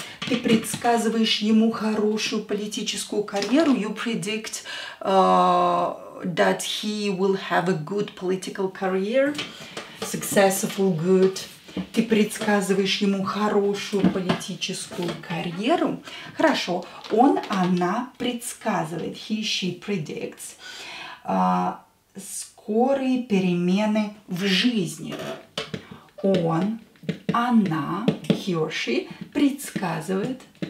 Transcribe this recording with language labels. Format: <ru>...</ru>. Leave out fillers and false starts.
<ru>ты предсказываешь ему хорошую политическую карьеру.</ru> <en>You predict that he will have a good political career, successful, good.</en> <ru>Ты предсказываешь ему хорошую политическую карьеру. Хорошо. Он, она предсказывает.</ru> <en>He, she predicts.</en> <ru>Скорые перемены в жизни. Он, она,</ru> <en>he or she,</en> <ru>предсказывает.</ru>